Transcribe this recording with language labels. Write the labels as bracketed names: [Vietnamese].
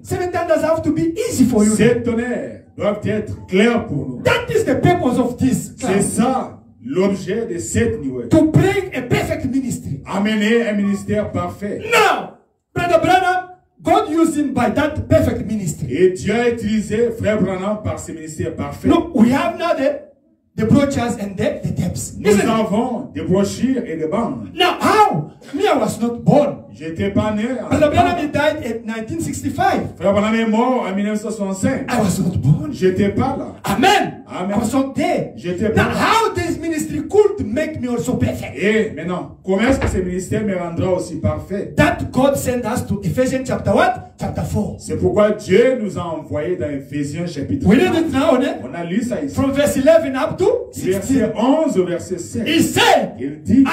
[English] Seven tonnerres have to be easy for you. [French] Sept tonnerres doivent être clairs pour nous. [English] That is the purpose of this. [French] C'est ça l'objet de sept nuages. [English] To bring a perfect ministry. [French] Amener un ministère parfait. [English] Now, Brother Branham, God used him by that perfect ministry. [French] Et Dieu a utilisé Frère Branham par ce ministère parfait. [English] Look, we have now the brochures and the tapes. [French] Nous [English] Isn't [French] avons [English] it? [French] Des brochures et des bandes. [English] Now, how? Me, I was not born. [French] J'étais pas né. [English] Brother Branham died in 1965. [French] Frère Branham est mort en 1965. [English] I was not born. [French] J'étais pas là. [English] Amen. Amen. I was not there. [French] J'étais pas [English] now, [French] là. [English] Now, how this ministry could make me also perfect? [French] Eh, maintenant, comment est-ce que ce ministère me rendra aussi parfait? [English] That God sent us to Ephesians chapter what? Chapter 4. [French] C'est pourquoi Dieu nous a envoyé dans Ephesians chapitre [English] 4. We read it now, eh? [French] On a lu ça ici. [English] From verse 11 up to 16. [French] Verset 11 au verset 16. [English] He said, [French] il dit,